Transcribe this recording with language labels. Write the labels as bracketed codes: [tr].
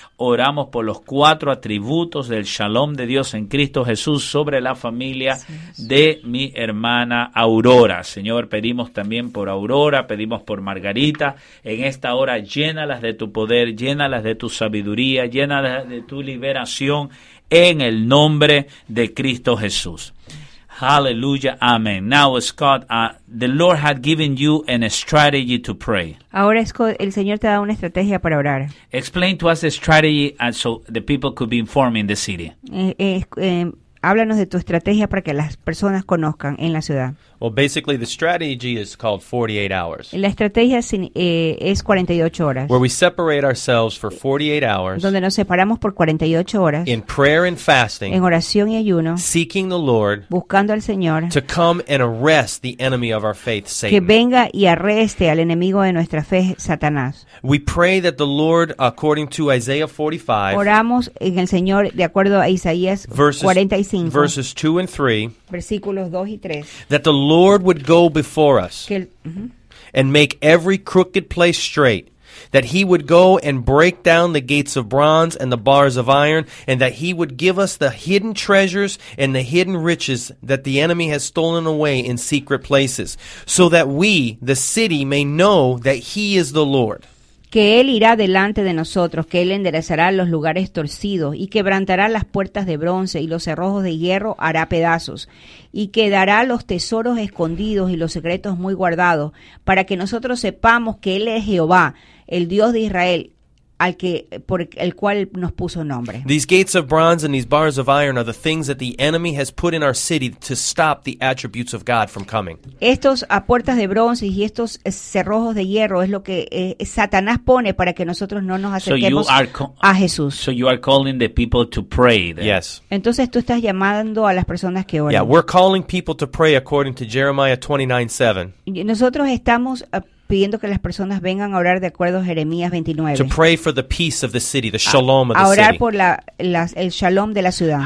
[es] Oramos por los cuatro atributos del shalom de Dios en Cristo Jesús sobre la familia de mi hermana Aurora. Señor, pedimos también por Aurora, pedimos por Margarita. En esta hora, llénalas de tu poder, llénalas de tu sabiduría, llénalas de tu liberación. En el nombre de Cristo Jesús. Hallelujah. Amen. [en] Now, Scott, the Lord had given you an strategy to pray. [es] Ahora, Scott, el Señor te da una estrategia para orar. [en] Explain to us the strategy so the people could be informed in the city. [es] Háblanos de tu estrategia para que las personas conozcan en la ciudad. [en] Well, basically, the strategy is called 48 hours. [es] La estrategia es 48 horas. [en] Where we separate ourselves for 48 hours. [es] Donde nos separamos por 48 horas. [en] In prayer and fasting. [es] En oración y ayuno. [en] Seeking the Lord. [es] Buscando al Señor. [en] To come and arrest the enemy of our faith, Satan. [es] Que venga y arreste al enemigo de nuestra fe, Satanás. [en] We pray that the Lord, according to Isaiah 45. [es] Oramos en el Señor de acuerdo a Isaías 45. [en] Verses 2 and 3. [es] Versículos 2 y 3. [en] That the Lord would go before us and make every crooked place straight, that he would go and break down the gates of bronze and the bars of iron, and that he would give us the hidden treasures and the hidden riches that the enemy has stolen away in secret places, so that we, the city, may know that he is the Lord. [es] Que él irá delante de nosotros, que él enderezará los lugares torcidos y quebrantará las puertas de bronce y los cerrojos de hierro hará pedazos y quedará los tesoros escondidos y los secretos muy guardados para que nosotros sepamos que él es Jehová, el Dios de Israel, al que por el cual nos puso nombre. [en] These gates of bronze and these bars of iron are the things that the enemy has put in our city to stop the attributes of God from coming. [es] Estos a puertas de bronce y estos cerrojos de hierro es lo que Satanás pone para que nosotros no nos acerquemos a Jesús. [en] So you are calling the people to pray then. Yes. [es] Entonces tú estás llamando a las personas que oren. [en] Yeah, we're calling people to pray according to Jeremiah 29:7. [es] Nosotros estamos pidiendo que las personas vengan a orar de acuerdo a Jeremías 29. [en] To pray for the peace of the city, the shalom of the city. [es] A orar por el shalom de la ciudad.